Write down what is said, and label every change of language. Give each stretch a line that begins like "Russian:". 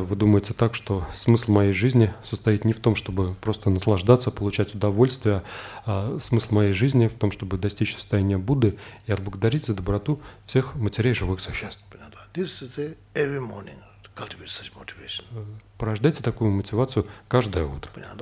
Russian: Вы думаете так, что смысл моей жизни состоит не в том, чтобы просто наслаждаться, получать удовольствие, а смысл моей жизни в том, чтобы достичь состояния Будды и отблагодарить за доброту всех матерей живых существ.
English: This is the every morning to cultivate such motivation.
Russian: Порождайте такую мотивацию каждое утро.